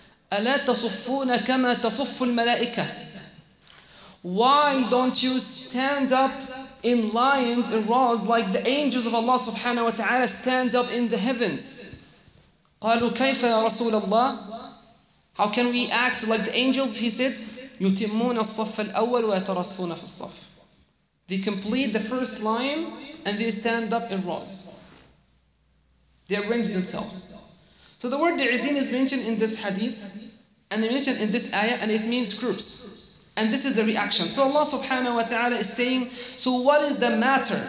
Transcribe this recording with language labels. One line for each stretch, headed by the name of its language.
Arabic: أَلَا تَصُفُّونَ كَمَا تَصُفُّ الْمَلَائِكَةِ?
English: Why don't you stand up in lions and roars like the angels of Allah subhanahu wa ta'ala stand up in the heavens?
Arabic: قَالُوا كَيْفَ يَا رَسُولَ اللَّهِ?
English: How can we act like the angels? He said,
Arabic: يُتِمُّونَ الصَّفَّ الْأَوَّلُ وَيَتَرَصُّونَ فِي الصَّفِّ.
English: They complete the first line and they stand up in rows. They arrange themselves. So the word da'izin is mentioned in this hadith and mentioned in this ayah, and it means groups. And this is the reaction. So Allah subhanahu wa ta'ala is saying, so what is the matter?